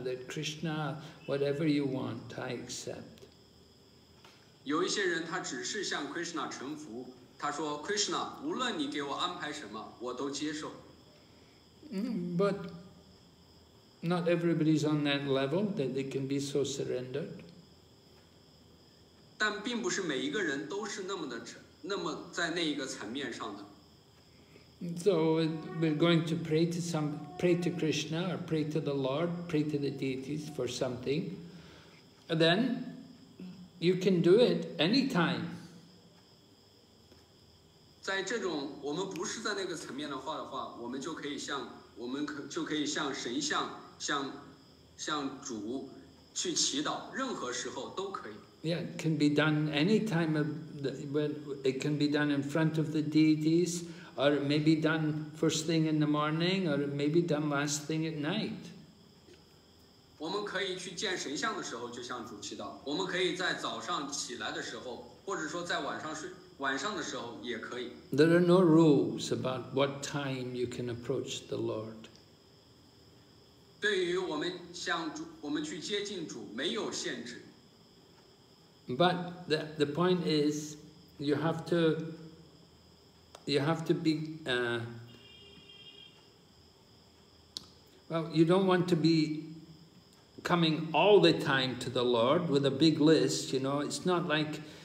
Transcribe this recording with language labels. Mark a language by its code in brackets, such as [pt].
[en] That Krishna, whatever you want, I accept. [zh] 有一些人他只是向 Krishna 臣服。他说 ，Krishna， 无论你给我安排什么，我都接受。 [en] But not everybody's on that level that they can be so surrendered. [zh] 但并不是每一个人都是那么在那一个层面上的。 [en] So we're going to pray to Krishna or pray to the Lord, pray to the deities for something. And then you can do it anytime. [zh] 在这种我们不是在那个层面的话的话，我们就可以向我们可就可以向神像向主去祈祷，任何时候都可以。 [en] Yeah, it can be done any time of the when it can be done in front of the deities, or maybe done first thing in the morning, or maybe done last thing at night. [zh] 我们可以去见神像的时候就向主祈祷，我们可以在早上起来的时候，或者说在晚上睡。晚上的时候也可以。 [en] There are no rules about what time you can approach the Lord. [zh] 对于我们向主，我们去接近主，没有限制。 [en] But the point is, you have to be well, you don't want to be coming all the time to the Lord with a big list. You know, it's not like.